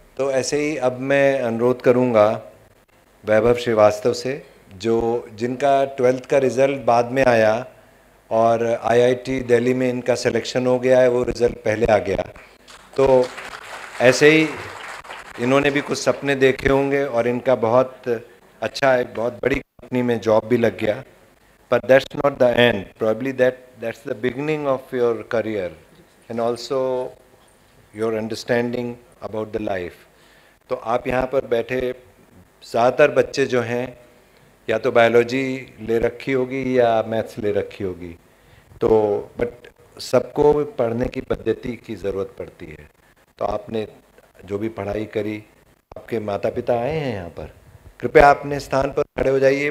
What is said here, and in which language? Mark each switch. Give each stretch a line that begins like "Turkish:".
Hindi: तो ऐसे ही अब मैं अनुरोध करूंगा वैभव श्रीवास्तव से, जो जिनका 12th का रिज़ल्ट बाद में आया और IIT दिल्ली में इनका सिलेक्शन हो गया है, वो रिज़ल्ट पहले आ गया. तो ऐसे ही इन्होंने भी कुछ सपने देखे होंगे और इनका बहुत अच्छा है, बहुत बड़ी कंपनी में जॉब भी लग गया.
English: But that's not the end. Probably that's the beginning of your career and also your understanding about the life.
Hindi: तो आप यहाँ पर बैठे ज़्यादातर बच्चे जो हैं या तो बायोलॉजी ले रखी होगी या मैथ्स ले रखी होगी. तो बट सबको पढ़ने की पद्धति की ज़रूरत पड़ती है. तो आपने जो भी पढ़ाई करी, आपके माता पिता आए हैं यहाँ पर, कृपया अपने स्थान पर खड़े हो जाइए.